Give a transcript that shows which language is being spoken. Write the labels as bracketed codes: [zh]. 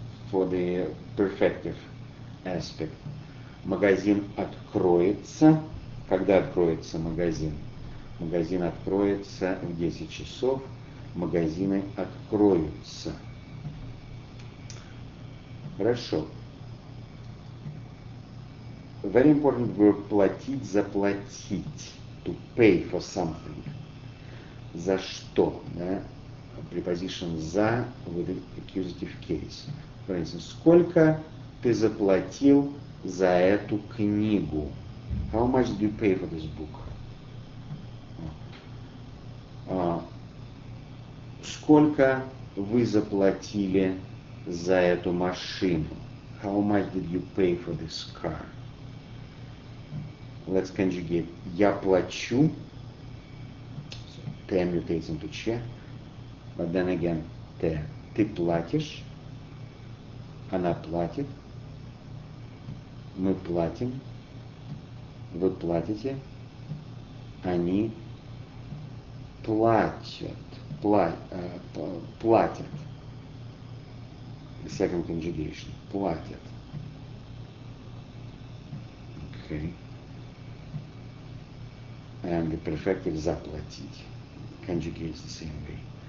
[en] For the perfective aspect. [ru] Магазин откроется. Когда откроется магазин? Магазин откроется в 10 часов. Магазины откроются. Хорошо. [en] Very important verb платить, заплатить. To pay for something. [ru] За что? Да? [en] Preposition за with an accusative case. For instance, [ru] сколько ты заплатил за эту книгу? [en] How much did you pay for this book? [ru] Сколько вы заплатили за эту машину? [en] How much did you pay for this car? Let's conjugate. [ru] Я плачу. [en] Ты mutates into че. But then again, ты. [ru] Ты платишь. Она платит, мы платим, вы платите, они платят, платят. [en] Second conjugation, платят. Okay. And the perfective заплатить. Conjugates the same way.